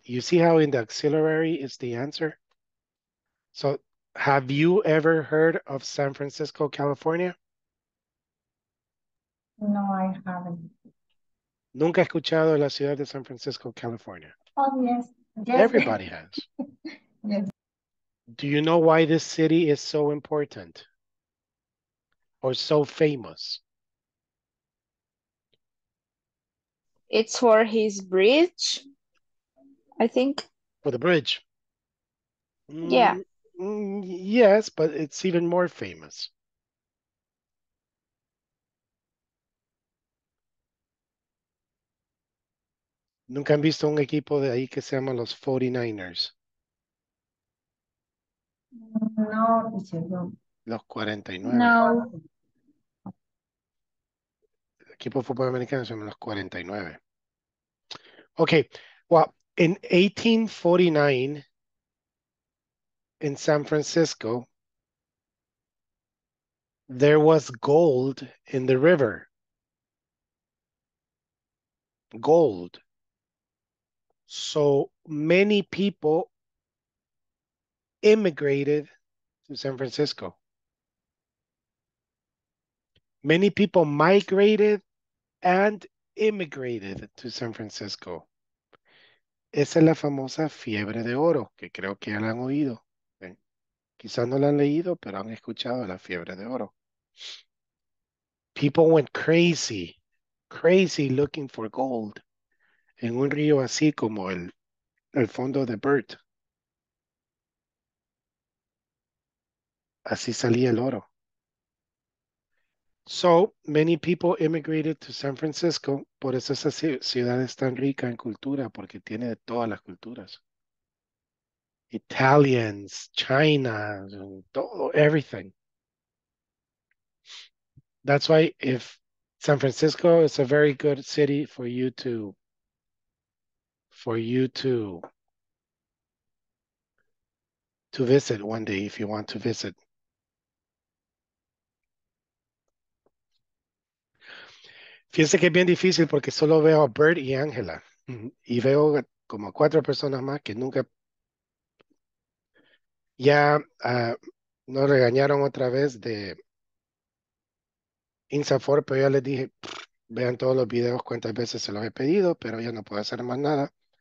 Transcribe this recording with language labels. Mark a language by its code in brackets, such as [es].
[en] You see how in the auxiliary is the answer? So, have you ever heard of San Francisco, California? No, I haven't. [es] Nunca he escuchado la ciudad de San Francisco, California. [en] Oh, yes. Everybody has. Do you know why this city is so important or so famous? It's for his bridge, I think. For the bridge. Yeah. Yes, but it's even more famous. [es] Nunca han visto un equipo de ahí que se llama los 49ers. No, los 49. No. El equipo de fútbol americano se llama los 49. [en] Okay, well, in 1849, in San Francisco, there was gold in the river. Gold. So many people immigrated to San Francisco. Many people migrated and immigrated to San Francisco. [es] Esa es la famosa fiebre de oro, que creo que ya la han oído. Quizás no la han leído, pero han escuchado la fiebre de oro. [en] People went crazy, crazy looking for gold [es] en un río así como el fondo de Burt. Así salía el oro. [en] So many people immigrated to San Francisco. [es] Por eso esa ciudad es tan rica en cultura, porque tiene de todas las culturas. [en] Italians, China, todo, everything. That's why if San Francisco is a very good city for you to visit one day if you want to visit. [es] Fíjense que es bien difícil porque solo veo a Bert y Angela. Y veo como cuatro personas más que nunca. Ya nos regañaron otra vez de Insafor, pero ya les dije, vean todos los videos, cuántas veces se los he pedido, pero ya no puedo hacer más nada.